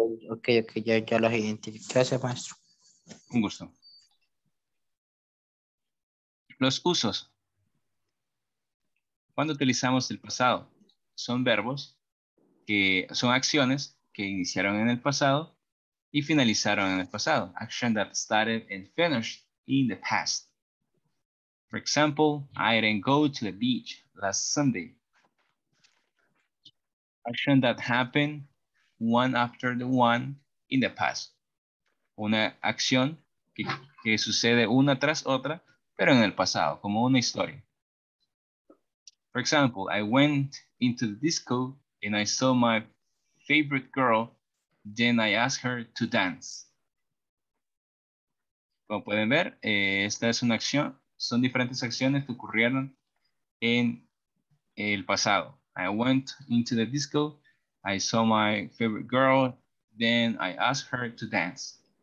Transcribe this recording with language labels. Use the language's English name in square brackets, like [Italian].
[Spanish] Ok, ya los identifico. Gracias, maestro. Un gusto. Los usos. Cuando utilizamos el pasado, son verbos que son acciones que iniciaron en el pasado y finalizaron en el pasado. [English] Action that started and finished in the past. For example, I didn't go to the beach last Sunday. Action that happened one after the one in the past. [Spanish] Una acción que sucede una tras otra, pero en el pasado, como una historia. [English] For example, I went into the disco and I saw my favorite girl, then I asked her to dance. [Spanish] Como pueden ver, esta es una acción. Son diferentes acciones que ocurrieron en el pasado. [English] I went into the disco, I saw my favorite girl, then I asked her to dance.